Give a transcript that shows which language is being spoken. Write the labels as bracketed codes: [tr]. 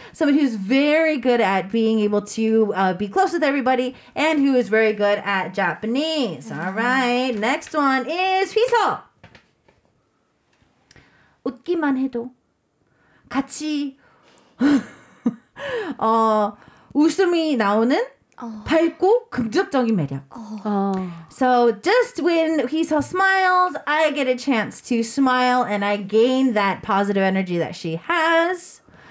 [en] Somebody who's very good at being able to be close with everybody and who is very good at Japanese. All right. Next one is 휘서. [ko] 웃기만 해도 같이 웃음이 나오는 밝고 긍정적인 매력. [en] So just when Hisa smiles, I get a chance to smile and I gain that positive energy that she has.